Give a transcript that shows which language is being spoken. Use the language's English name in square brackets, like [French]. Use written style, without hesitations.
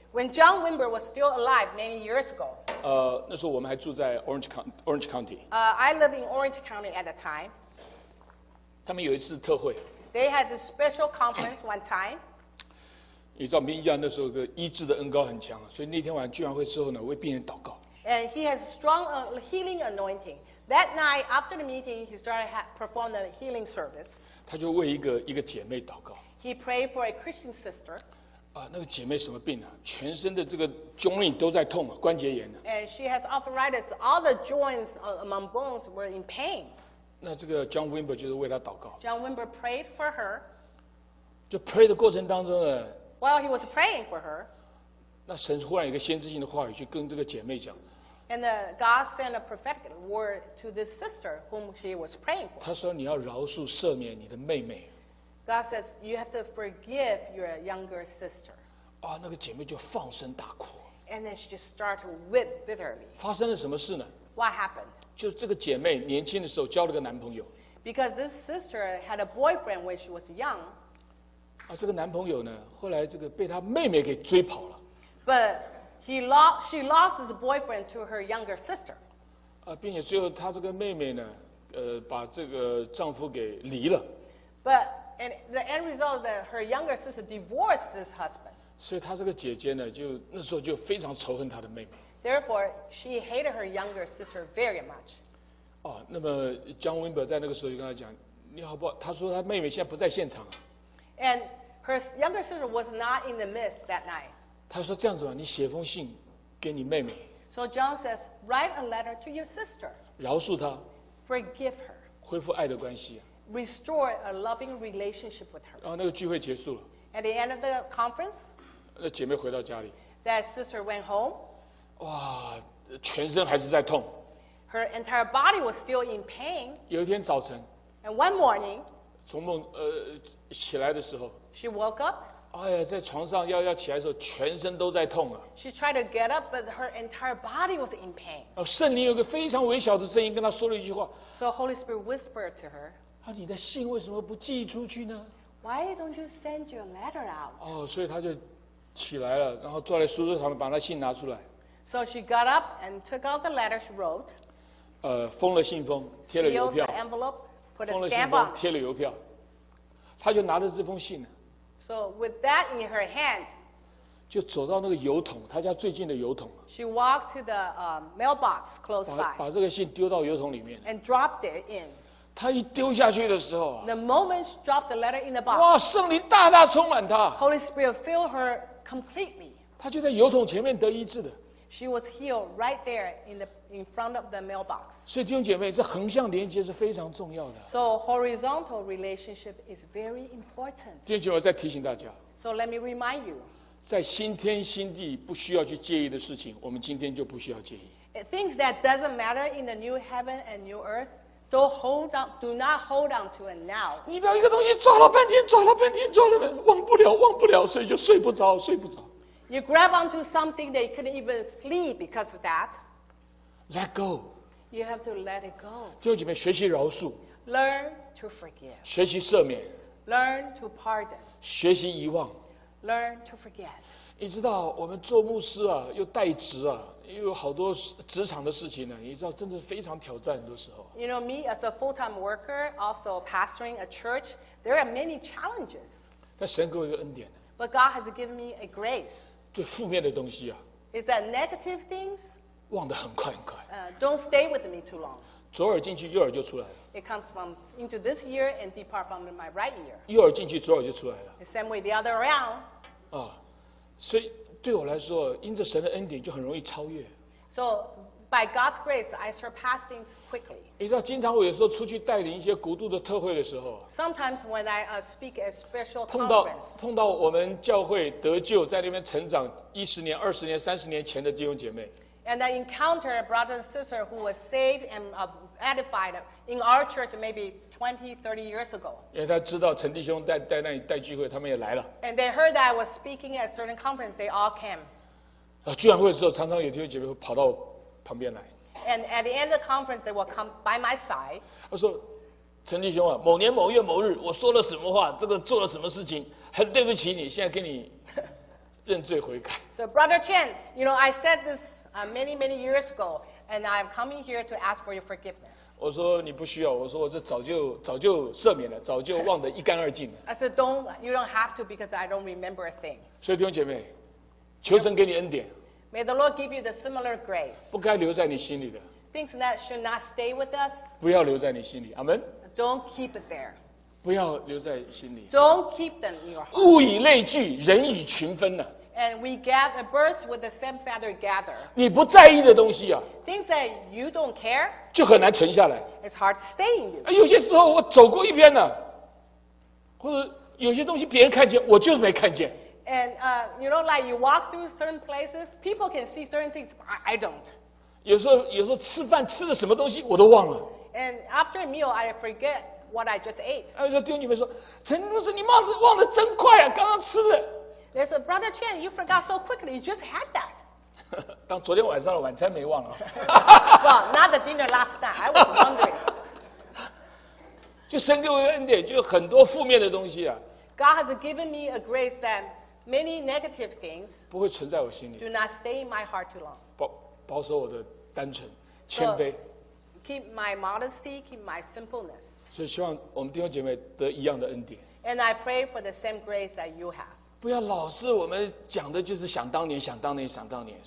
[English] When John Wimber was still alive many years ago [Chinese] 那时候我们还住在 Orange County [English] I live in Orange County at the time [Chinese] 他们有一次特会 [English] They had a special conference one time [Chinese] 你知道明医啊那时候的医治的恩膏很强所以那天晚上聚完会之后呢为病人祷告 [English] And he has strong healing anointing That night after the meeting he started perform the healing service [Chinese] 他就为一个姐妹祷告 [English] He prayed for a Christian sister. [Chinese] 那个姐妹什么病啊？全身的这个 joint 都在痛啊，关节炎的。 [English] And she has arthritis. All the joints among bones were in pain. [Chinese] 那这个 John Wimber 就是为她祷告。 [English] John Wimber prayed for her. [Chinese] 就 pray 的过程当中呢。 [English] While he was praying for her. [Chinese] 那神忽然有一个先知性的话语，就跟这个姐妹讲。 [English] And God sent a prophetic word to this sister whom she was praying for. [Chinese] 他说你要饶恕赦免你的妹妹。 [English] God said you have to forgive your younger sister. [Chinese] 啊，那个姐妹就放声大哭。 [English] And then she just started weep bitterly. [Chinese] 发生了什么事呢？ [English] What happened? [Chinese] 就这个姐妹年轻的时候交了个男朋友。 [English] Because this sister had a boyfriend when she was young. [Chinese] 啊，这个男朋友呢，后来这个被她妹妹给追跑了。 [English] But she lost his boyfriend to her younger sister. [Chinese] 啊，并且最后她这个妹妹呢，把这个丈夫给离了。 [English] But and the end result is that her younger sister divorced this husband. [Chinese] 所以她这个姐姐呢，就那时候就非常仇恨她的妹妹。 [English] Therefore, she hated her younger sister very much. [Chinese] 哦，那么江温伯在那个时候就跟她讲，你好不好？她说她妹妹现在不在现场。 [English] And her younger sister was not in the midst that night. [Chinese] 她说这样子吧，你写封信给你妹妹。 [English] So John says, write a letter to your sister. [Chinese] 饶恕她。 [English] Forgive her. [Chinese] 恢复爱的关系。 [English] Restore a loving relationship with her. [Chinese] 然后那个聚会结束了。 [English] At the end of the conference. [Chinese] 那姐妹回到家里。 [English] That sister went home. [Chinese] 哇，全身还是在痛。 [English] Her entire body was still in pain. [Chinese] 有一天早晨。 [English] And one morning. [Chinese] 从梦起来的时候。 [English] She woke up. [Chinese] 哎呀，在床上要起来的时候，全身都在痛啊。 [English] She tried to get up, but her entire body was in pain. [Chinese] 哦，圣灵有个非常微小的声音跟她说了一句话。 [English] So Holy Spirit whispered to her. [Chinese] 啊、你的信为什么不寄出去呢 [English] ？Why don't you send your letter out？ [Chinese] 哦，所以他就起来了，然后坐在书桌上面，把那信拿出来。 [English] So she got up and took out the letter she wrote。 [Chinese] 封了信封，贴了邮票。 [English] Sealed the envelope, put a stamp on. [Chinese] 封了信封，贴了邮票。他就拿着这封信呢。 [English] So with that in her hand， [Chinese] 就走到那个邮筒，他家最近的邮筒。 [English] She walked to the mailbox close by。 [Chinese] 把这个信丢到邮筒里面。 [English] And dropped it in。 [Chinese] 他一丢下去的时候 [English] ，The moment she dropped the letter in the box， [Chinese] 哇，圣灵大大充满他 [English] ，Holy Spirit filled her completely。 [Chinese] 他就在邮筒前面得医治的 [English] ，She was healed right there in front of the mailbox。 [Chinese] 所以弟兄姐妹，这横向连接是非常重要的。 [English] So horizontal relationship is very important。 [Chinese] 弟兄姐妹，我再提醒大家 [English] ，So let me remind you， [Chinese] 在新天新地不需要去介意的事情，我们今天就不需要介意。 [English] Things that doesn't matter in the new heaven and new earth。 Don't hold on, do not hold on to it now. [Chinese] 你不要一个东西抓了半天，抓了半天，抓了半天，忘不了，忘不了，所以就睡不着，睡不着。 [English] You grab onto something that you couldn't even sleep because of that. Let go. You have to let it go. [Chinese] 弟兄姐妹，学习饶恕。 [English] Learn to forgive. [Chinese] 学习赦免。 [English] Learn to pardon. [Chinese] 学习遗忘。 [English] Learn to forget. [Chinese] 你知道，我们做牧师啊，又代职啊。因为好多职场的事情呢，你知道，真的非常挑战很多时候。 [English] You know me as a full-time worker, also pastoring a church, there are many challenges. [Chinese] 但神给我一个恩典。 [English] But God has given me a grace. [Chinese] 对负面的东西啊。 [English] Is that negative things? [Chinese] 忘得很快很快。 [English] Don't stay with me too long. [Chinese] 左耳进去，右耳就出来了。 [English] It comes from into this ear and depart from my right ear. [Chinese] 右耳进去，左耳就出来了。 [English] The same way the other around. [Chinese] 啊，所以。对我来说，因着神的恩典，就很容易超越。 [English] So by God's grace, I surpass things quickly. [Chinese] 你知道，经常我有时候出去带领一些国度的特会的时候 [English] ，Sometimes when I speak a special conference, [Chinese] 碰到我们教会得救在那边成长一十年、二十年、三十年前的弟兄姐妹 [English] ，And I encounter a brother and sister who was saved and edified in our church maybe 20, 30 years ago. [Chinese] 因为他知道陈弟兄在那里带聚会，他们也来了。 [English] And they heard that I was speaking at a certain conference, they all came. [Chinese] 啊，聚会的时候常常有弟兄姐妹会跑到旁边来。 [English] And at the end of the conference, they will come by my side. [Chinese] 他说，陈弟兄啊，某年某月某日，我说了什么话，这个做了什么事情，很对不起你，现在跟你认罪悔改。 [English] So Brother Chen, you know, I said this many, many years ago. And I'm coming here to ask for your forgiveness. [Chinese] 我说你不需要，我说我这早就赦免了，早就忘得一干二净了。 [English] I said you don't have to because I don't remember a thing. [Chinese] 所以弟兄姐妹，求神给你恩典。 [English] May the Lord give you the similar grace. [Chinese] 不该留在你心里的。 [English] Things that should not stay with us. [Chinese] 不要留在你心里，阿门。 [English] Don't keep it there. [Chinese] 不要留在心里。 [English] Don't keep them in your heart. [Chinese] 物以类聚，人以群分呢。 [English] And we gather birds with the same feather gather. [Chinese] 你不在意的东西啊 [English] ，things that you don't care， [Chinese] 就很难存下来。 [English] It's hard staying you. [Chinese] 有些时候我走过一边了，或者有些东西别人看见，我就是没看见。 [English] And you know, like you walk through certain places, people can see certain things, but I don't. [Chinese] 有时候吃饭吃的什么东西我都忘了。 [English] And after a meal, I forget what I just ate. [Chinese] 哎，说弟兄姐妹说，陈牧师你忘了真快啊，刚刚吃的。 [English] There's a brother Chen, you forgot so quickly. You just had that. [Chinese] 当昨天晚上的晚餐没忘了。 [English] Well, not the dinner last night. I was wondering. [Chinese] 就神给我恩典，就很多负面的东西啊。 [English] God has given me a grace that many negative things [Chinese] 不会存在我心里 [English] do not stay in my heart too long. [Chinese] 保守我的单纯、谦卑。 [English] So, keep my modesty, keep my simpleness. [Chinese] 所以希望我们弟兄姐妹得一样的恩典。 [English] And I pray for the same grace that you have. [Chinese] 不要老是我们讲的就是想当年想当年想当年